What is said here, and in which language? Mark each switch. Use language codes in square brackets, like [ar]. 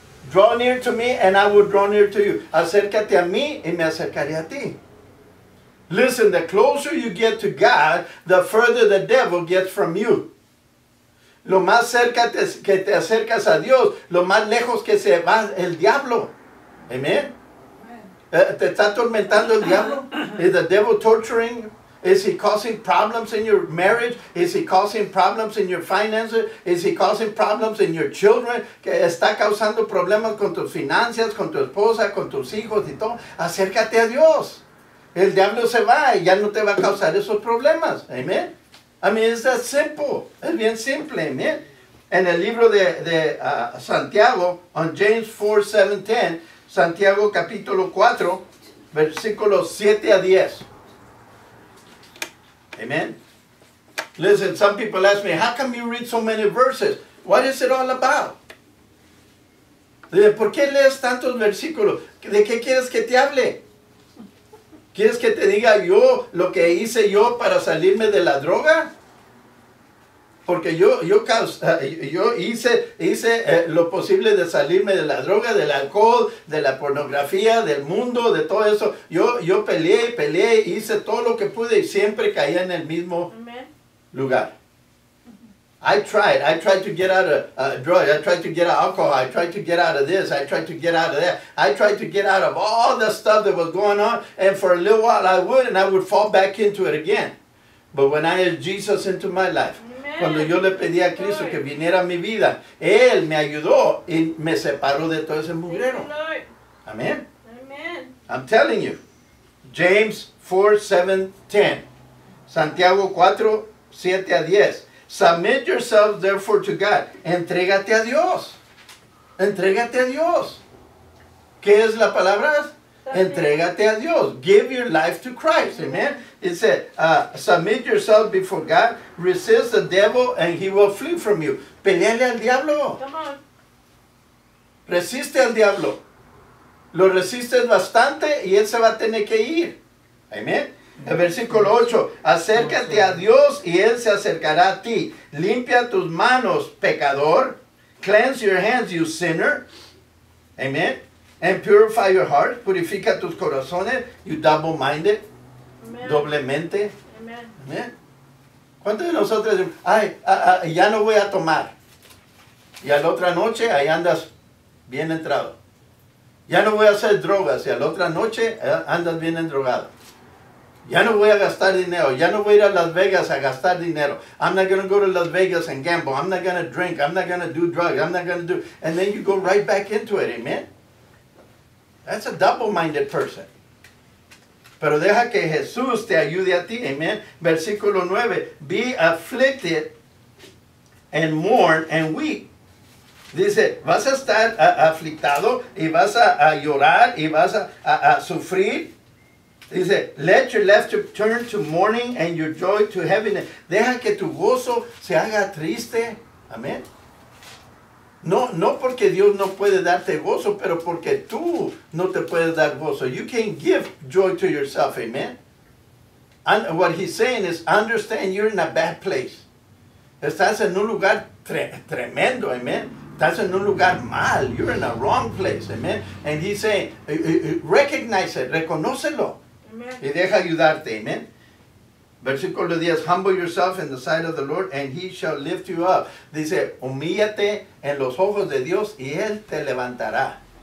[en] Draw near to me and I will draw near to you. [es] Acércate a mí y me acercaré a ti. [en] Listen, the closer you get to God, the further the devil gets from you. [es] Lo más cerca que te acercas a Dios, lo más lejos que se va el diablo. Amén. ¿Te está atormentando el diablo? [en] Is the devil torturing? Is he causing problems in your marriage? Is he causing problems in your finances? Is he causing problems in your children? [es] ¿Que está causando problemas con tus finanzas, con tu esposa, con tus hijos y todo? Acércate a Dios. El diablo se va y ya no te va a causar esos problemas. Amén. [en] I mean, it's that simple. [es] Es bien simple, amen. En el libro de Santiago, [en] on James [es] 4, 7, 10, Santiago capítulo 4, versículos 7 a 10. [en] Amen. Listen, some people ask me, how come you read so many verses? What is it all about? [es] ¿Por qué lees tantos versículos? ¿De qué quieres que te hable? ¿Quieres que te diga yo lo que hice yo para salirme de la droga? Porque yo hice lo posible de salirme de la droga, del alcohol, de la pornografía, del mundo, de todo eso. Yo peleé, hice todo lo que pude y siempre caía en el mismo lugar. [en] I tried to get out of drugs, I tried to get out of alcohol, I tried to get out of this, I tried to get out of that. I tried to get out of all the stuff that was going on, and for a little while I would, and I would fall back into it again. But when I had Jesus into my life, amen. [es] Cuando yo le pedí a Cristo que viniera a mi vida, Él me ayudó y me separó de todo ese mugrero. [en] Amen. Amen. I'm telling you, James 4, 7, 10, Santiago 4, 7 a 10. Submit yourself, therefore, to God. [es] Entrégate a Dios. Entrégate a Dios. ¿Qué es la palabra? Entrégate a Dios. [en] Give your life to Christ. [es] Amen. [en] It said, submit yourself before God. Resist the devil and he will flee from you. [es] Peleale al diablo. [en] Come on. [es] Resiste al diablo. Lo resistes bastante y él se va a tener que ir. Amen. El versículo 8, acércate a Dios y Él se acercará a ti. Limpia tus manos, pecador. [en] Cleanse your hands, you sinner. Amen. And purify your heart. [es] Purifica tus corazones, [en] you double-minded. Amen. [es] Doblemente. [en] Amen. Amen. [es] ¿Cuántos de nosotros dicen, ya no voy a tomar? Y a la otra noche, ahí andas bien entrado. Ya no voy a hacer drogas. Y a la otra noche, andas bien endrogado. Ya no voy a gastar dinero. Ya no voy a ir a Las Vegas a gastar dinero. [en] I'm not going to go to Las Vegas and gamble. I'm not going to drink. I'm not going to do drugs. I'm not going to do... And then you go right back into it. Amen. That's a double-minded person. [es] Pero deja que Jesús te ayude a ti. Amen. Versículo 9. [en] Be afflicted and mourn and weep. [es] Dice, vas a estar aflictado y vas a llorar y vas a sufrir. [en] Dice, let your laughter turn to mourning and your joy to heaviness. [es] Deja que tu gozo se haga triste. Amén. No porque Dios no puede darte gozo, pero porque tú no te puedes dar gozo. [en] You can't give joy to yourself. Amen. And what he's saying is, understand you're in a bad place. [es] Estás en un lugar tremendo. Amen. Estás en un lugar mal. [en] You're in a wrong place. Amen. And he's saying, recognize it. [es] Reconócelo. Y deja ayudarte, amen. [en] Versículo 10, humble yourself in the sight of the Lord and he shall lift you up. [es] Dice, humíllate en los ojos de Dios y él te levantará.